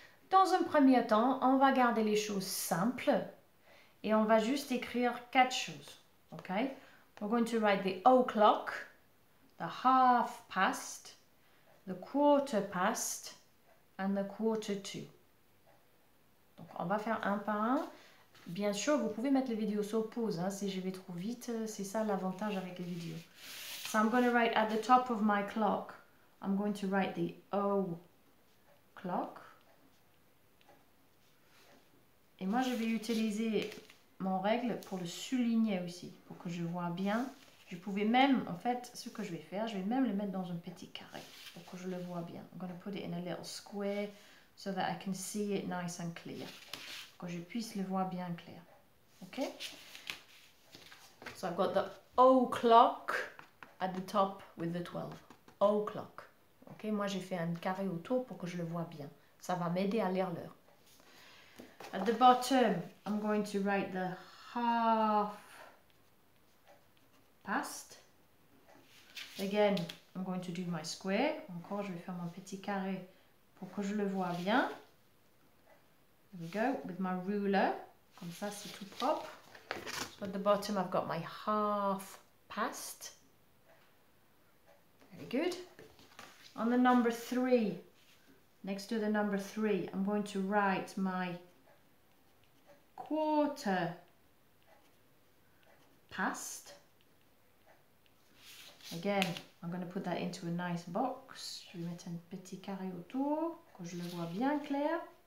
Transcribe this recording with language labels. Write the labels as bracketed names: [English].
[French] Dans un premier temps, on va garder les choses simples et on va juste écrire quatre choses, ok? [English] We're going to write the o'clock, the half past, the quarter past, and the quarter to. [French] Donc, on va faire un par un. Bien sûr, vous pouvez mettre les vidéos sur pause, hein, si je vais trop vite. C'est ça l'avantage avec les vidéos. [English] So, I'm going to write at the top of my clock. I'm going to write the o'clock. [French] Et moi, je vais utiliser mon règle pour le souligner aussi, pour que je vois bien. Je pouvais même, en fait, ce que je vais faire, je vais même le mettre dans un petit carré pour que je le vois bien. [English] I'm going to put it in a little square so that I can see it nice and clear. [French] Pour que je puisse le voir bien clair. OK? [English] So I've got the o'clock at the top with the 12. O'clock. OK? [French] Moi, j'ai fait un carré autour pour que je le vois bien. Ça va m'aider à lire l'heure. [English] At the bottom, I'm going to write the half past. Again, I'm going to do my square. [French] Encore, je vais faire mon petit carré pour que je le vois bien. [English] There we go, with my ruler. [French] Comme ça, c'est tout propre. [English] So at the bottom, I've got my half past. Very good. On the number three, next to the number three, I'm going to write my quarter past. Again, I'm going to put that into a nice box. [French] Je vais mettre un petit carré autour, que je le vois bien clair.